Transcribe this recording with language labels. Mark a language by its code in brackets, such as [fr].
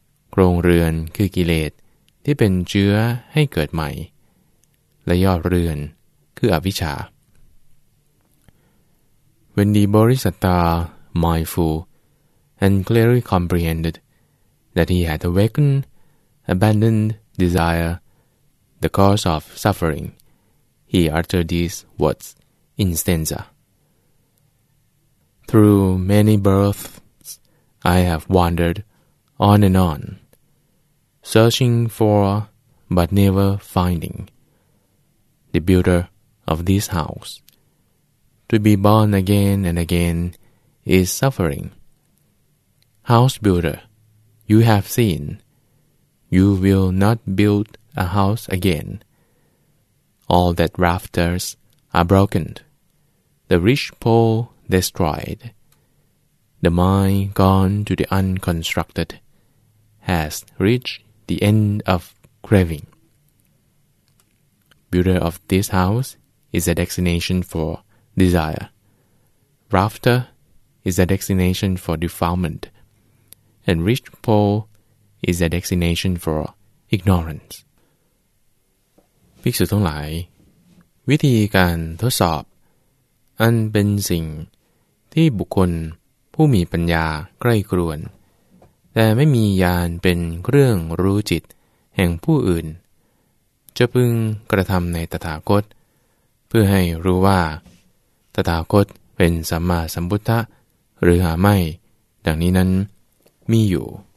[th] โครงเรือนคือกิเลสที่เป็นเชื้อให้เกิดใหม่และยอดเรือนคืออวิชชา [en] When the BodhisattvaMindful and clearly comprehended that he had awakened, abandoned desire, the cause of suffering, he uttered these words in stanza. Through many births, I have wandered on and on, searching for but never finding the builder of this house. To be born again and againis suffering. House builder, you have seen, you will not build a house again. All that rafters are broken, the ridge pole destroyed, the mind gone to the unconstructed has reached the end of craving. Builder of this house is a destination for desire. Rafteris a destination for defilement, and reached pole is a destination for ignorance. [th] ภิกษุทั้งหลายวิธีการทดสอบอันเป็นสิ่งที่บุคคลผู้มีปัญญาใกล้ครวญแต่ไม่มีญาณเป็นเรื่องรู้จิตแห่งผู้อื่น จะพึงกระทำในตถาคตเพื่อให้รู้ว่าตถาคตเป็นสัมมาสัมพุทธะหรือหาไม่ดังนี้นั้นมีอยู่